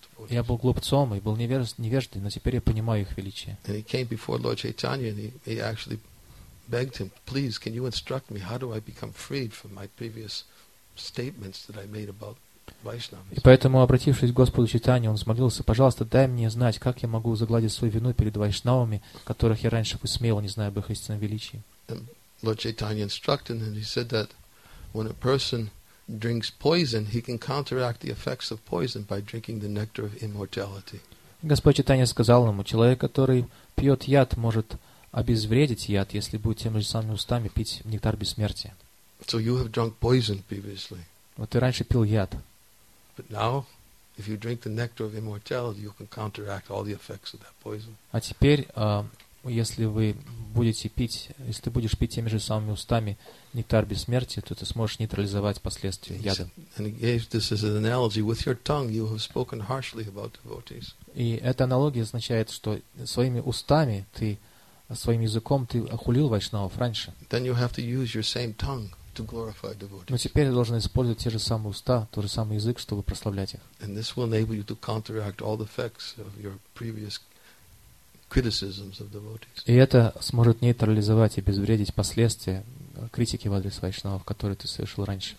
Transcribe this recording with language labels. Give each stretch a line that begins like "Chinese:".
Russian: Я был глупцом и был невеждой, но теперь я понимаю их величие.
English: And he came before Lord Chaitanya, and he actually begged him, "Please, can you instruct me? How do I become freed from my previous statements that I made about Vaishnavas?"
Russian: И поэтому, обратившись к Господу Чайтанье, он взмолился: "Пожалуйста, дай мне знать, как я могу загладить свою вину перед вайшнавами, которых я раньше высмеивал, не зная об их истинном величии."
English: And Lord Chaitanya instructed him, and he said that when a person drinks poison, he can counteract the effects of poison by drinking the nectar of immortality.
Russian: Господь Чайтанья сказал ему: человек, который пьет яд, может обезвредить яд, если будет теми же самыми устами пить нектар бессмертия.
English: So you have drunk poison previously.
Russian: Вот ты раньше пил яд.
English: But now, if you drink the nectar of immortality, you can counteract all the effects of that poison.
Russian: А теперь, если вы будете пить, если ты будешь пить теми же самыми устами нектар бессмертия, то ты сможешь нейтрализовать последствия яда.
English: And he gave this as an analogy: with your tongue you have spoken harshly about devotees.
Russian: И эта аналогия означает, что своими устами ты, своим языком ты охулил вайшнавов раньше.
English: Then you have to use your same tongue to glorify devotees.
Russian: Но теперь ты должен использовать те же самые уста, тот же самый язык, чтобы прославлять их.
English: And this will enable you to counteract all the effects of your previous criticisms of devotees.
Russian: И это сможет нейтрализовать и обезвредить последствия критики в адрес вайшнавов, которые ты совершил раньше.